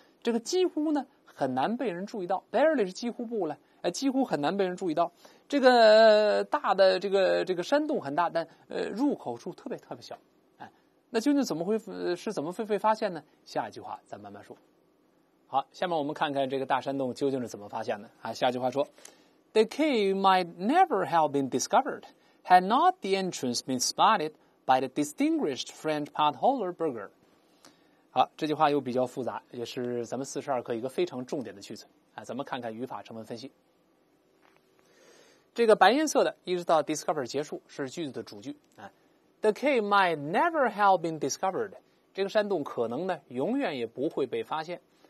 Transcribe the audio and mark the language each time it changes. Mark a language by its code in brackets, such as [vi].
[zh] 这个几乎呢很难被人注意到 ，barely 是几乎不了，几乎很难被人注意到。这个大的这个山洞很大，但入口处特别特别小，哎，那究竟怎么会是怎么被发现呢？下一句话咱慢慢说。好，下面我们看看这个大山洞究竟是怎么发现的啊。下一句话说 [en] ，The cave might never have been discovered had not the entrance been spotted by the distinguished French potholder Berger。 [zh] 好，这句话又比较复杂，也是咱们42课一个非常重点的句子啊。咱们看看语法成分分析。这个白颜色的一直到 discover 结束是句子的主句啊。 [en] The cave might never have been discovered， [zh] 这个山洞可能呢永远也不会被发现。